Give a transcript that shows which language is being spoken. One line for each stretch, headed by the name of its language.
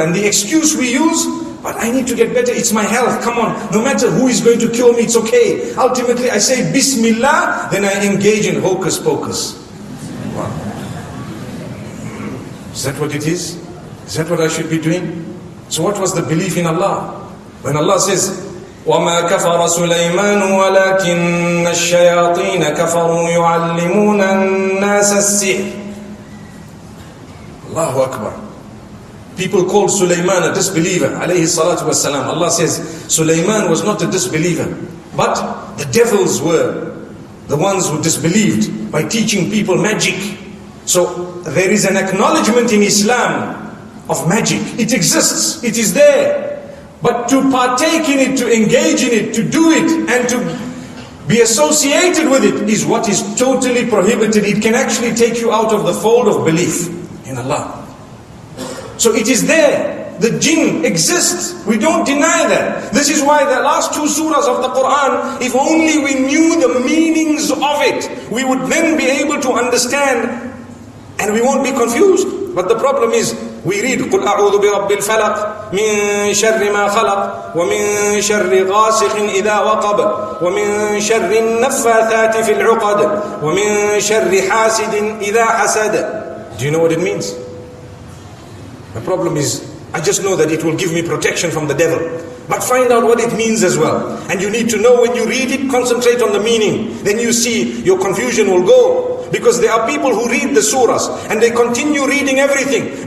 English: And the excuse we use, but I need to get better, it's my health, come on. No matter who is going to cure me, it's okay. Ultimately, I say Bismillah, then I engage in hocus pocus. Wow. Is that what it is? Is that what I should be doing? So what was the belief in Allah? When Allah says,
Arabic: وَمَا كَفَرَ سُلَيْمَانُ وَلَكِنَّ الشَّيَاطِينَ كَفَرُوا يُعَلِّمُونَ النَّاسَ السِّحْرِ. Allahu Akbar.
English: People called Sulaiman a disbeliever, alayhi salatu wasalam. Allah says, Sulaiman was not a disbeliever, but the devils were the ones who disbelieved by teaching people magic. So there is an acknowledgement in Islam of magic. It exists, it is there. But to partake in it, to engage in it, to do it, and to be associated with it is what is totally prohibited. It can actually take you out of the fold of belief in Allah. So it is there. The jinn exists. We don't deny that. This is why the last two surahs of the Quran, if only we knew the meanings of it, we would then be able to understand and we won't be confused. But the problem is, we read,
Arabic: قُلْ أَعُوذُ بِرَبِّ الْفَلَقِ مِنْ شَرِّ مَا خَلَقْ وَمِنْ شَرِّ غَاسِقٍ إِذَا وَقَبَ وَمِنْ شَرِّ النَّفَّاثَاتِ فِي الْعُقَدِ وَمِنْ شَرِّ حَاسِدٍ إِذَا حَسَدَ.
English: Do you know what it means? The problem is, I just know that it will give me protection from the devil. But find out what it means as well. And you need to know when you read it, concentrate on the meaning. Then you see your confusion will go. Because there are people who read the surahs and they continue reading everything.